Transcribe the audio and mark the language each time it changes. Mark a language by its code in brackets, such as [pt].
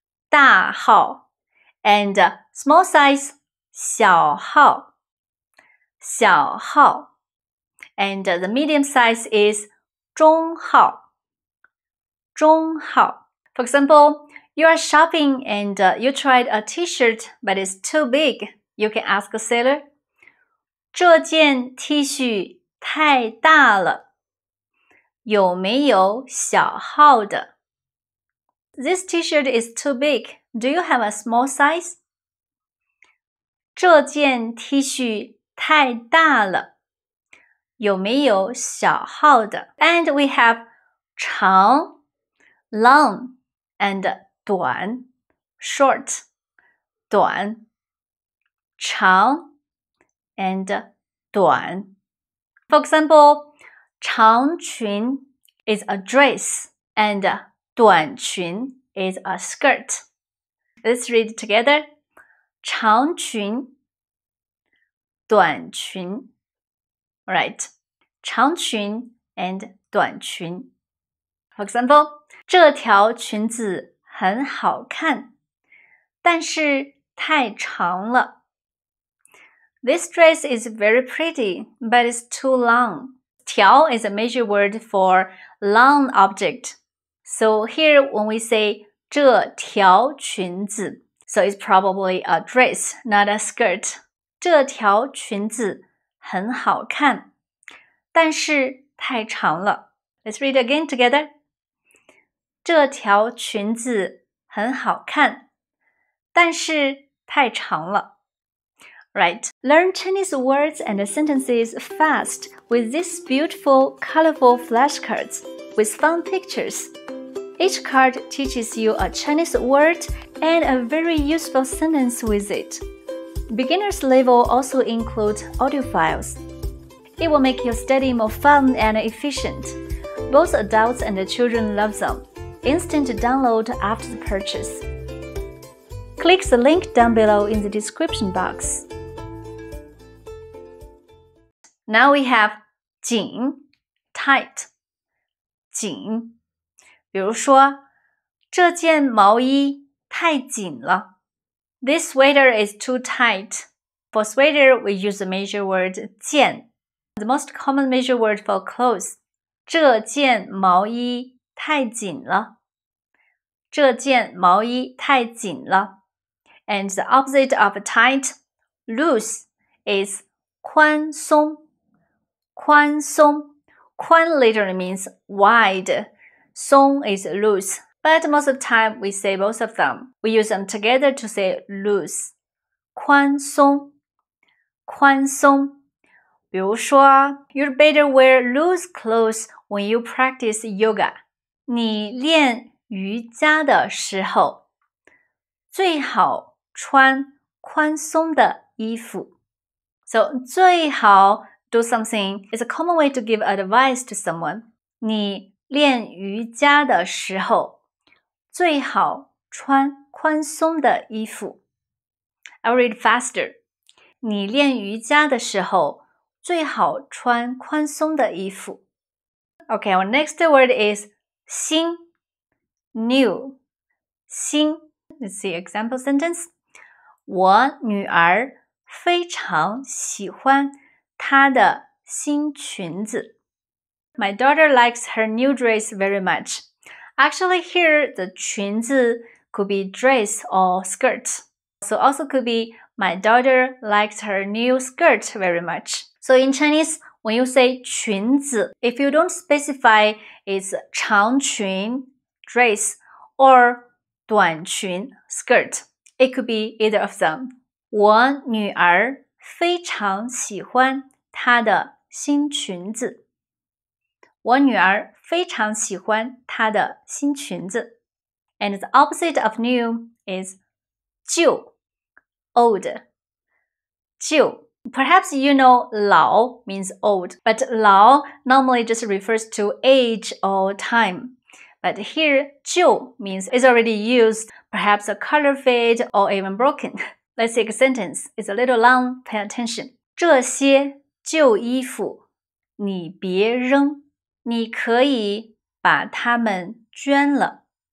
[en] 大号 and small size, 小号小号 and the medium size is 中号中号 For example, you are shopping and you tried a t-shirt but it's too big. You can ask a seller, [zh] 这件 T 恤太大了，有没有小号的？ [en] This t-shirt is too big. Do you have a small size? [zh] 这件 T 恤太大了，有没有小号的？ [en] And we have 长 long and 短 short 短 [zh] 长 and 短 [en] For example, 长裙 is a dress and 短裙is a skirt. Let's read together. [zh] 长裙短裙 [en] Right. 长裙 and 短裙 For example, [zh] 这条裙子很好看但是太长了 [en] This dress is very pretty, but it's too long. 条 is a major word for long object. So here when we say [zh] 这条裙子 [en] So it's probably a dress, not a skirt. [zh] 这条裙子很好看但是太长了 [en] Let's read again together. [zh] 这条裙子很好看但是太长了 [en] Right. Learn Chinese words and sentences fast with these beautiful, colorful flashcards with fun pictures. Each card teaches you a Chinese word and a very useful sentence with it. Beginner's level also includes audio files. It will make your study more fun and efficient. Both adults and children love them. Instant download after the purchase. Click the link down below in the description box. Now we have 紧, tight. [zh] 紧比如说这件毛衣太紧了。 [en] This sweater is too tight. For sweater, we use the major word 件 The most common major word for clothes. [zh] 这件毛衣太紧了。这件毛衣太紧了。 [en] And the opposite of tight, loose, is 宽松。宽松。宽 literally means wide. 松 is loose, but most of the time we say both of them. We use them together to say loose. [zh] 宽松宽松比如说 [en] You'd better wear loose clothes when you practice yoga. [zh] 你练瑜伽的时候最好穿宽松的衣服 [en] So, 最好 do something is a common way to give advice to someone. [zh] 你练瑜伽的时候最好穿宽松的衣服 [en] I'll read faster [zh] 你练瑜伽的时候最好穿宽松的衣服 [en] Okay, our next word is 新 new 新 Let's see example sentence [zh] 我女儿非常喜欢她的新裙子 [en] My daughter likes her new dress very much. Actually, here, the 裙子 could be dress or skirt. So also could be, my daughter likes her new skirt very much. So in Chinese, when you say 裙子, if you don't specify it's 长裙, dress, or 短裙, skirt, it could be either of them. [zh] 我女儿非常喜欢她的新裙子。我女儿非常喜欢她的新裙子。 [en] And the opposite of new is 旧 old. 旧 Perhaps you know 老 means old, but 老 normally just refers to age or time. But here 旧 means it's already used, perhaps a color fade or even broken. Let's take a sentence. It's a little long, pay attention. [zh] 这些旧衣服你别扔，你可以把它们捐了。